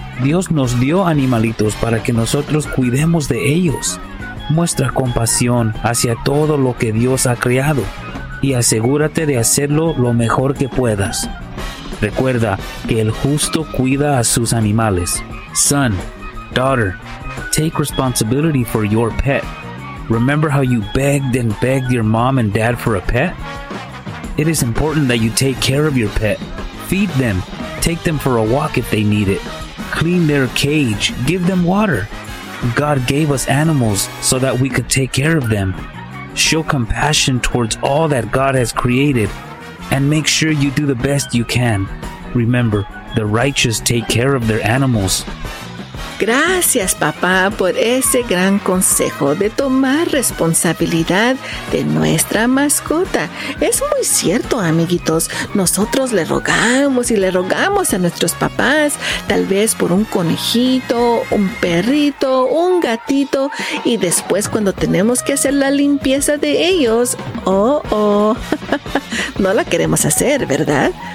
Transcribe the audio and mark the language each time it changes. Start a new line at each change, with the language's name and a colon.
Spanish: Dios nos dio animalitos para que nosotros cuidemos de ellos. Muestra compasión hacia todo lo que Dios ha creado. Y asegúrate de hacerlo lo mejor que puedas. Recuerda que el justo cuida a sus animales.
English: Son, daughter, take responsibility for your pet. Remember how you begged and begged your mom and dad for a pet? It is important that you take care of your pet. Feed them. Take them for a walk if they need it. Clean their cage. Give them water. God gave us animals so that we could take care of them. Show compassion towards all that God has created and make sure you do the best you can. Remember, the righteous take care of their animals.
Spanish: Gracias, papá, por ese gran consejo de tomar responsabilidad de nuestra mascota. Es muy cierto, amiguitos. Nosotros le rogamos y le rogamos a nuestros papás, tal vez por un conejito, un perrito, un gatito, y después cuando tenemos que hacer la limpieza de ellos, no la queremos hacer, ¿verdad?